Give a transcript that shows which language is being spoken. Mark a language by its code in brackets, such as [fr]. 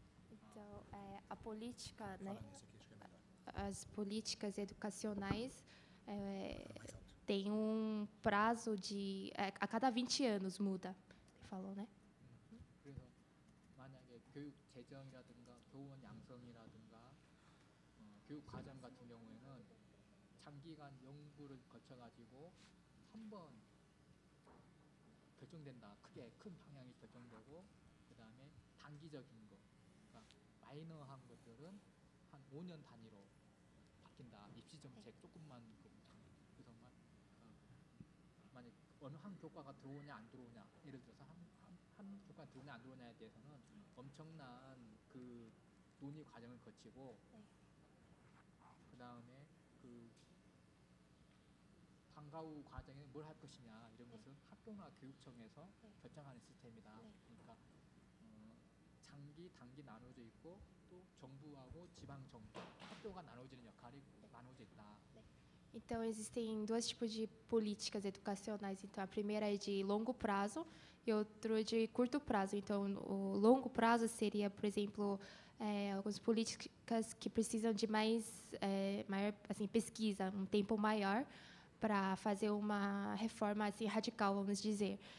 [pt] Então, a política, né? As políticas educacionais têm um prazo de a cada 20 anos muda. Falou, né? [ko] 그래서 만약에 교육 재정이라든가 교원 양성이라든가 교육 과정 같은 경우에는 장기간 연구를 거쳐 가지고 한번 결정된다. 크게 큰 방향이 결정되고 그다음에 단기적인 거. 그러니까 마이너한 것들은 한 5년 단위로 바뀐다. 입시 정책 네. 조금만 그래서 만약 어느 한 교과가 들어오냐 안 들어오냐 예를 들어서 한 교과 들어오냐 안 들어오냐에 대해서는 엄청난 그 논의 과정을 거치고 네. 그다음에 그 방과 후 과정에 뭘 할 것이냐 이런 네. 것은 학교나 교육청에서 네. 결정하는 시스템이다. 네. 그러니까 장기 단기 나눠져 있고 또 정부하고 지방 정부 학교가 나눠지는 역할이 네. 나눠져 있다. [pt] 네. Então existem dois tipos de políticas educacionais. Então a primeira é de longo prazo e outra de curto prazo. Então o longo prazo seria, por exemplo, algumas políticas que precisam de mais maior assim pesquisa, um tempo maior para fazer uma reforma assim radical, vamos dizer.